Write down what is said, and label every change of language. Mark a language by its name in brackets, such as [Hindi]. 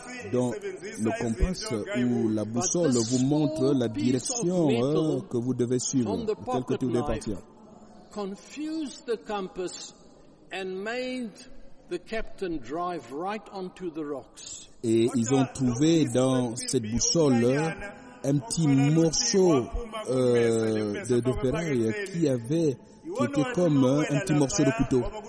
[French] Donc le compas ou la boussole vous montre la direction que vous devez suivre, tel que vous devez partir. [English] Confused the compass and made the captain drive right onto the rocks. [French] Et ils ont trouvé dans cette boussole un petit morceau de ferraille qui était comme un petit morceau de couteau.